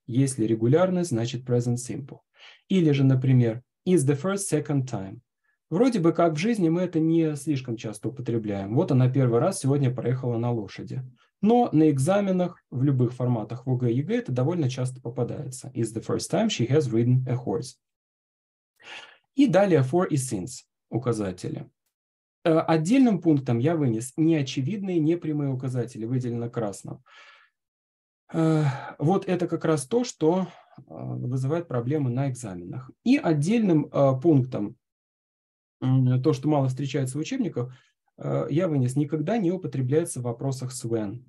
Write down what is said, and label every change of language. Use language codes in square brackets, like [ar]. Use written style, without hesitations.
[ru] Если регулярность, значит present simple. Или же, например, [en] is the first, second time. [ru] Вроде бы как в жизни мы это не слишком часто употребляем. Вот она первый раз сегодня проехала на лошади. Но на экзаменах в любых форматах в ОГЭ и ЕГЭ это довольно часто попадается. [en] Is the first time she has ridden a horse. [ru] И далее for и since указатели. Отдельным пунктом я вынес неочевидные, непрямые указатели, выделено красным. Вот это как раз то, что вызывает проблемы на экзаменах. И отдельным пунктом, то, что мало встречается в учебниках, я вынес, никогда не употребляется в вопросах с when.